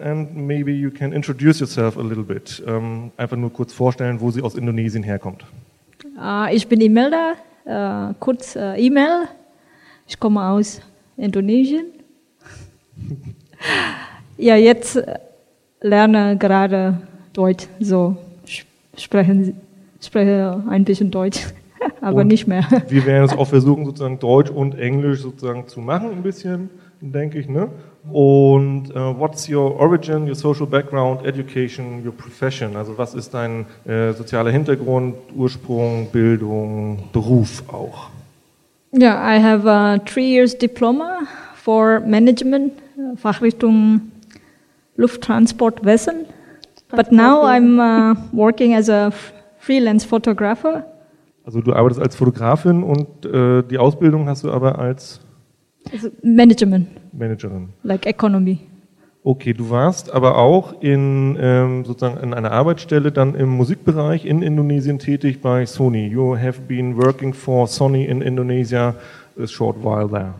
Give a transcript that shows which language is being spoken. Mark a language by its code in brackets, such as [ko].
[en] And maybe you can introduce yourself a little bit. [de] Einfach nur kurz vorstellen, wo sie aus Indonesien herkommt. Ich bin Imelda, kurz Imel. Ich komme aus Indonesien. Ja, jetzt lerne gerade Deutsch, so spreche ein bisschen Deutsch, aber und nicht mehr. Wir werden es auch versuchen, sozusagen Deutsch und Englisch sozusagen zu machen ein bisschen, denke ich, ne? Und [en] what's your origin, your social background, education, your profession? [de] Also was ist dein sozialer Hintergrund, Ursprung, Bildung, Beruf auch? [en] Ja, I have a 3 years diploma for management, [de] Fachrichtung Lufttransportwesen. [en] But now I'm working as a freelance photographer. [de] Also du arbeitest als Fotografin und die Ausbildung hast du aber als? Also Management. Managerin. [en] Like economy. [de] Okay, du warst aber auch in sozusagen in einer Arbeitsstelle dann im Musikbereich in Indonesien tätig bei Sony. [en] You have been working for Sony in Indonesia a short while there.